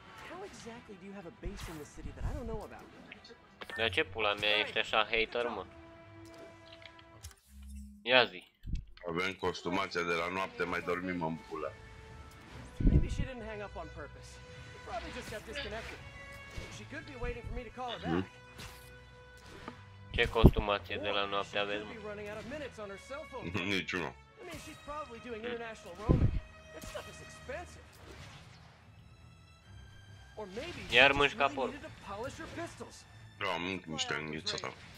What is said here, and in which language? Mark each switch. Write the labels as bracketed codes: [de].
[en] How exactly do you have a base in the city that I don't know about? [ro] De ce pula mea ești așa hater, mă? Ia zi. Avem costumația de la noapte, mai dormim în pula. [en] Maybe she didn't hang up on purpose. Probably just got disconnected. She could be waiting for me to call her back. [ro] Ce costumație de la noapte aveți, mă? Niciuna. [en] I mean, she's probably doing international roaming. That stuff is expensive. Or maybe she just needed to polish her pistols. [ro] Da, mânc niște înghețată.